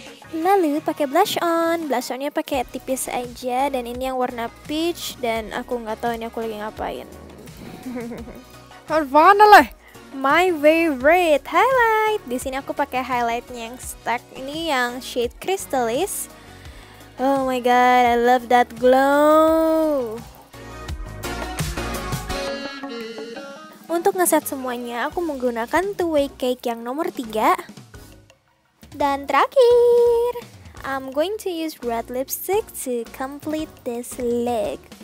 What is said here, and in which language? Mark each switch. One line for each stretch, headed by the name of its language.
Indonesian: Lalu pakai blush on. Blush onnya pakai tipis aja dan ini yang warna peach dan aku nggak tahu ini aku lagi ngapain. Harvana lah.
English: My favorite highlight.
Indonesian: Di sini aku pakai highlightnya yang stack ini yang shade Crystalis.
English: Oh my god, I love that glow.
Indonesian: Untuk ngeset semuanya, aku menggunakan two-way cake yang nomor 3. Dan terakhir,
English: I'm going to use red lipstick to complete this look.